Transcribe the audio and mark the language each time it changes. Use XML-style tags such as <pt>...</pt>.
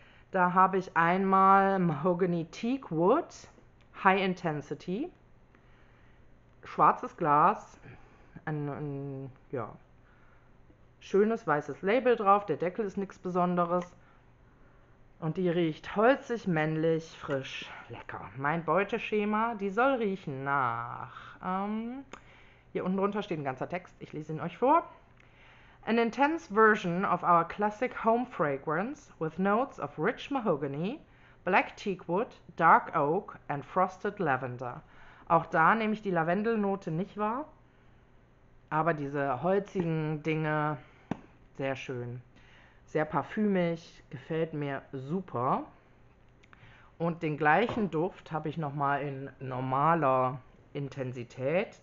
<de>Da habe ich einmal Mahogany Teak Wood. High Intensity, schwarzes Glas, ein ja, schönes weißes Label drauf, der Deckel ist nichts Besonderes und die riecht holzig, männlich, frisch, lecker. Mein Beuteschema, die soll riechen nach. Hier unten drunter steht ein ganzer Text, ich lese ihn euch vor.</de> <en>An intense version of our classic home fragrance with notes of rich mahogany. Black Teak Wood, Dark Oak and Frosted Lavender.</en> <de>Auch da nehme ich die Lavendelnote nicht wahr, aber diese holzigen Dinge, sehr schön. Sehr parfümig, gefällt mir super. Und den gleichen Duft habe ich nochmal in normaler Intensität.</de>